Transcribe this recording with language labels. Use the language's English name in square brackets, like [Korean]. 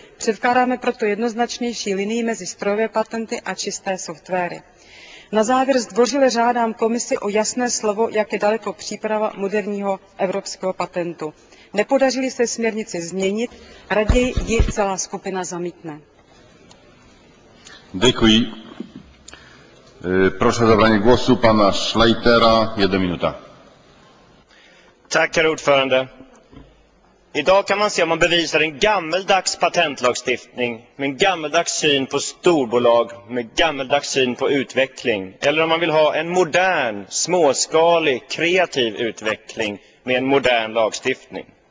[Czech] Předkládáme proto jednoznačnější linii mezi strojové patenty a čisté softwary. Na závěr zdvořile žádám komisi o jasné slovo, jak je daleko příprava moderního evropského patentu. Nepodařili se směrnici změnit, raději ji celá skupina zamítne. Děkuji. [Polish] Proszę o zabranie głosu pana Schleitera. 1 minuta. [Swedish] Tack, herr ordförande. Idag kan man se om man bevisar en gammeldags patentlagstiftning med en gammeldags syn på storbolag, med gammeldags syn på utveckling. Eller om man vill ha en modern, småskalig, kreativ utveckling med en modern lagstiftning.